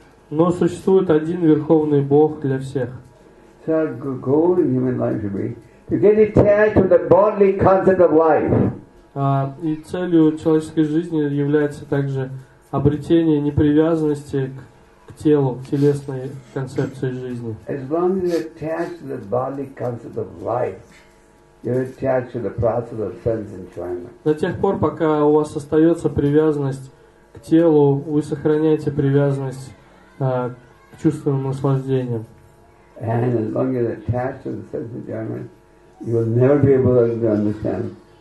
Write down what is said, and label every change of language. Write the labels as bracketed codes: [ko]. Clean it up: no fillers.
[ru] Но существует один Верховный Бог для всех. И целью человеческой жизни является также обретение непривязанности к телу, к телесной концепции жизни. [en] As long as you're attached to the bodily concept of life, you're attached to the process of sense enjoyment. [ru] До тех пор, пока у вас остается привязанность к телу, вы сохраняете привязанность к чувственным наслаждениям. [en] And as long as you're attached to the sense enjoyment, you will never be able to understand.